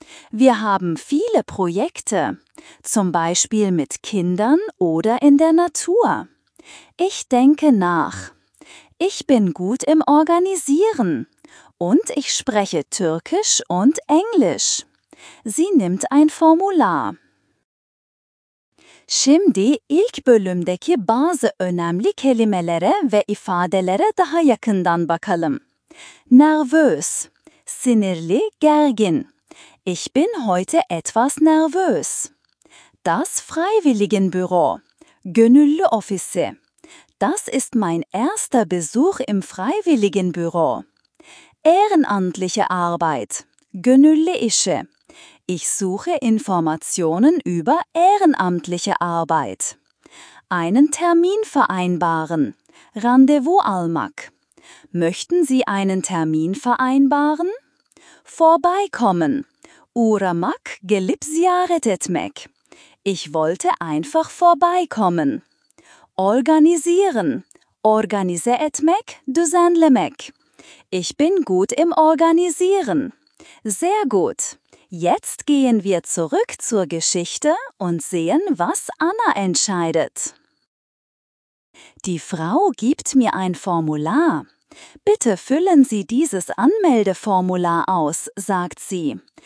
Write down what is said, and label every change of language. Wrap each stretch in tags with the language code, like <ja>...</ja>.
<de>Wir haben viele Projekte, zum Beispiel mit Kindern oder in der Natur. Ich denke nach. Ich bin gut im Organisieren und ich spreche Türkisch und Englisch. Sie nimmt ein Formular.</de> <tr>Şimdi ilk bölümdeki bazı önemli kelimelere ve ifadelere daha yakından bakalım. Nervös, sinirli, gergin.</tr> <de>Ich bin heute etwas nervös. Das Freiwilligenbüro.</de> <tr>Gönüllü Ofisi.</tr> <de>Das ist mein erster Besuch im Freiwilligenbüro. Ehrenamtliche Arbeit.</de> <tr>Gönüllü işe.</tr> <de>Ich suche Informationen über ehrenamtliche Arbeit. Einen Termin vereinbaren.</de> <tr>Rendezvous almak.</tr> <de>Möchten Sie einen Termin vereinbaren? Vorbeikommen.</de> <tr>Uğramak gelip ziyaret etmek.</tr> <de>Ich wollte einfach vorbeikommen. Organisieren.</de> <tr>Organize etmek, düzenlemek.</tr> <de>Ich bin gut im Organisieren. Sehr gut. Jetzt gehen wir zurück zur Geschichte und sehen, was Anna entscheidet. Die Frau gibt mir ein Formular. Bitte füllen Sie dieses Anmeldeformular aus, sagt sie.</de>